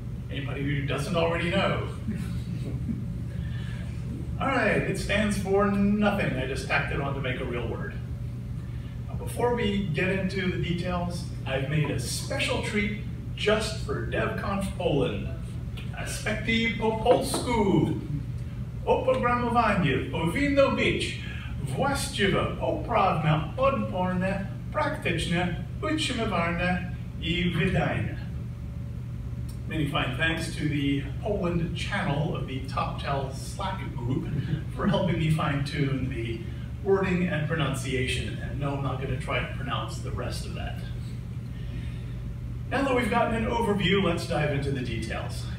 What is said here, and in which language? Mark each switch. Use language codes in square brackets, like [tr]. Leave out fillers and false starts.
[en] Anybody who doesn't already know? All right, it stands for nothing. I just tacked it on to make a real word. Now, before we get into the details, I've made a special treat just for DevConf Poland. [pl] Aspekty po polsku. Oprogramowanie, powinno być właściwe, poprawne, odporne, praktyczne, utrzymywalne I wydajne. [en] Many fine thanks to the Poland channel of the TopTel Slack group for helping me fine-tune the wording and pronunciation. And no, I'm not going to try to pronounce the rest of that. Now that we've gotten an overview, let's dive into the details.